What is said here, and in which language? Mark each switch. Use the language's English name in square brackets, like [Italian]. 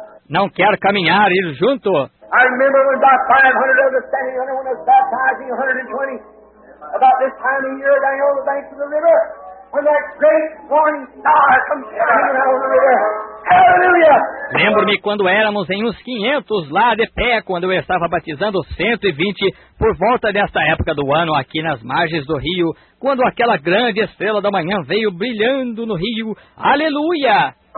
[Portuguese] Não quer caminhar, ir junto? [English] I remember when about 500 of us standing under when I was baptizing 120. About this time of year down on the banks of the river, when that great morning star comes shining out of the river. [Portuguese] Lembro-me quando éramos em uns 500 lá de pé, quando eu estava batizando 120 por volta desta época do ano aqui nas margens do rio, quando aquela grande estrela da manhã veio brilhando no rio. Aleluia!